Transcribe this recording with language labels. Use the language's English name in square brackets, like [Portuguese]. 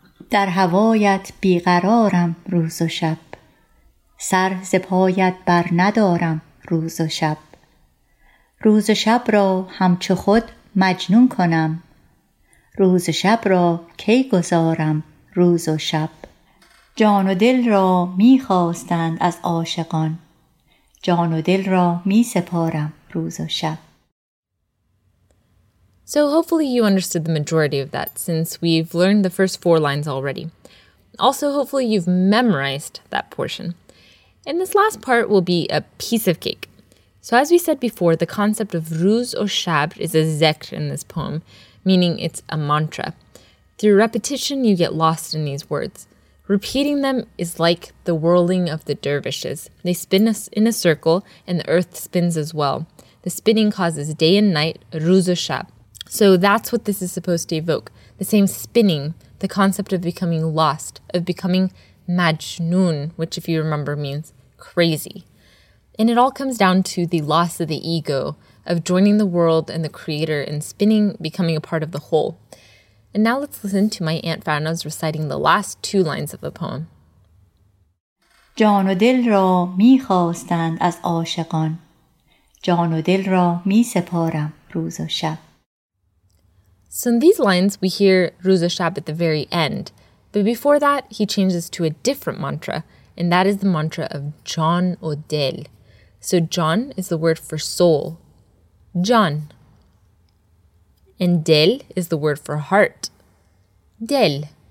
[Persian] در هوایت بیقرارم روز و شب، سر ز پایت بر ندارم روز و شب، روز و شب را همچو خود مجنون کنم، روز و شب را کی گذارم روز و شب. جان و دل را می خواستند از عاشقان، جان و دل را می سپارم روز و شب. [English] So hopefully you understood the majority of that, since we've learned the first four lines already. Also, hopefully you've memorized that portion. And this last part will be a piece of cake. So as we said before, the concept of rooz or shab is a zikr in this poem, meaning it's a mantra. Through repetition, you get lost in these words. Repeating them is like the whirling of the dervishes. They spin us in a circle, and the earth spins as well. The spinning causes day and night, rooz or shab. So that's what this is supposed to evoke. The same spinning, the concept of becoming lost, of becoming majnun, which if you remember means crazy. And it all comes down to the loss of the ego, of joining the world and the creator and spinning, becoming a part of the whole. And now let's listen to my aunt Farnaz reciting the last two lines of the poem. [Persian] جان و دل را می خواستند از عاشقان، جان و دل را می سپارم روز و شب. [English] So in these lines, we hear Rooz Shab at the very end. But before that, he changes to a different mantra, and that is the mantra of Jan Odel. So Jan is the word for soul. Jan. And Del is the word for heart. Del.